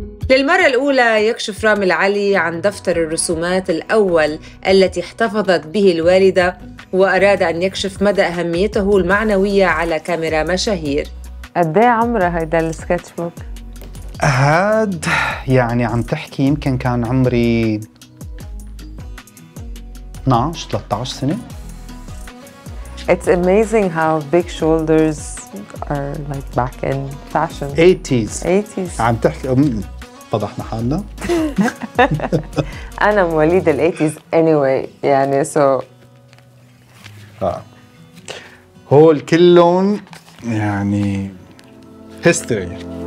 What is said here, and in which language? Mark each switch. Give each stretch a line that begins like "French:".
Arabic: للمرة الأولى يكشف رامي العلي عن دفتر الرسومات الأول التي احتفظت به الوالدة، وأراد أن يكشف مدى أهميته المعنوية على كاميرا مشاهير. أدي عمره هيدا السكتش بوك؟ هاد يعني عم تحكي يمكن كان عمري 12-13 سنة.
English: It's amazing how big shoulders are like back in fashion. 80s. 80s.
Arabic: عم تحكي فضحنا حالنا. أنا مواليد الـ 80s anyway يعني so هول كلهم يعني history.